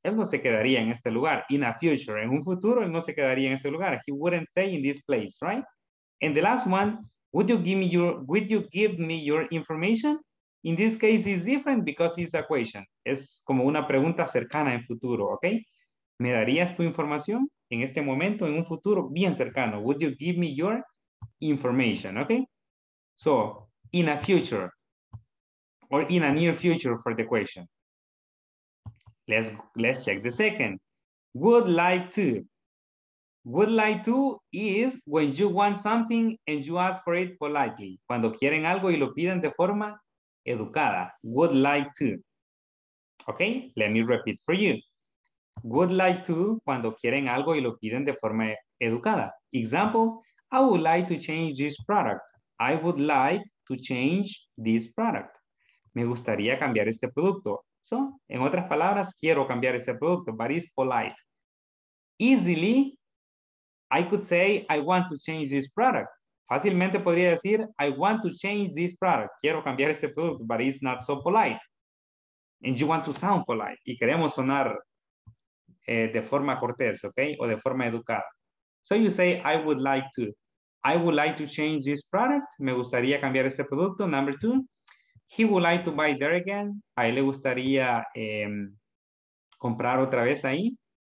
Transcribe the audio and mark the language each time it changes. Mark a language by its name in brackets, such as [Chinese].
[Spanish] Él no se quedaría en este lugar, [English] in a future. [Spanish] En un futuro, él no se quedaría en este lugar. [English] He wouldn't stay in this place, right? And the last one, would you give me your information? In this case, it's different because it's a question. [Spanish] Es como una pregunta cercana en futuro, okay? ¿Me darías tu información en este momento, en un futuro bien cercano? [English] Would you give me your information, okay? So, in a future, or in a near future for the question. Let's check the second. Would like to. Would like to is when you want something and you ask for it politely. [Spanish] Cuando quieren algo y lo piden de forma educada. [English] Would like to. Okay, let me repeat for you. Would like to, [Spanish] cuando quieren algo y lo piden de forma educada. [English] Example, I would like to change this product. I would like to change this product. [Spanish] Me gustaría cambiar este producto. So, en otras palabras, quiero cambiar este producto, [English] but it's polite. Easily, I could say, I want to change this product. [Spanish] Fácilmente podría decir, [English] I want to change this product. [Spanish] Quiero cambiar este producto, [English] but it's not so polite. And you want to sound polite. [Spanish] Y queremos sonar de forma cortés, okay? O de forma educada. [English] So you say, I would like to. I would like to change this product. [Spanish] Me gustaría cambiar este producto. [English] Number two, he would like to buy there again. [Spanish] A él le gustaría comprar otra vez ahí.